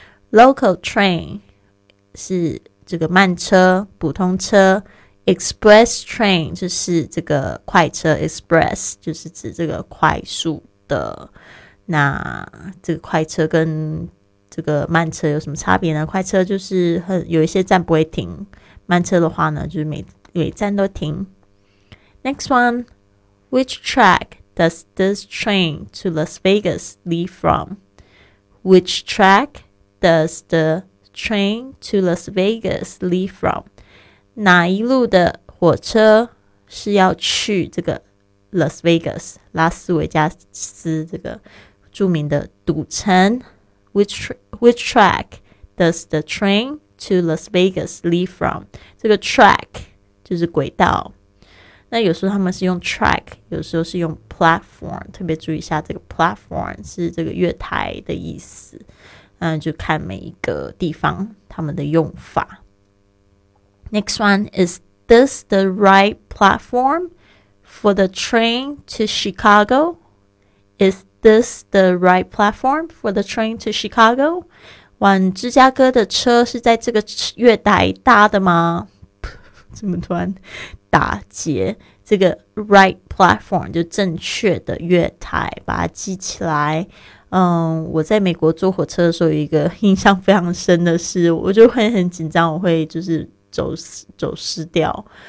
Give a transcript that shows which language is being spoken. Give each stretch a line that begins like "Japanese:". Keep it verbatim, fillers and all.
Chinese: local train 是这个慢车普通车， express train 就是这个快车， express 就是指这个快速的。那这个快车跟这个慢车有什么差别呢？快车就是很有一些站不会停，慢车的话呢就是 每, 每站都停。
English: Next one, which track does this train to Las Vegas leave from? Which track does the train to Las Vegas leave from?
Chinese: 哪一路的火车是要去这个 Las Vegas 拉斯维加斯这个著名的赌城。
English: which, which track does the train to Las Vegas leave from?
Chinese: 这个 track 就是轨道，那有时候他们是用 track， 有时候是用 platform， 特别注意一下这个 platform 是这个月台的意思。嗯，就看每一个地方他们的用法。
English: Next one, is this the right platform for the train to Chicago? Is this the right platform for the train to Chicago?
Chinese: 往芝加哥的车是在这个月台搭的吗？怎么突然打结？这个 right platform 就正确的月台，把它记起来。嗯，我在美国坐火车的时候有一个印象非常深的是，我就会很紧张，我会就是走走失掉。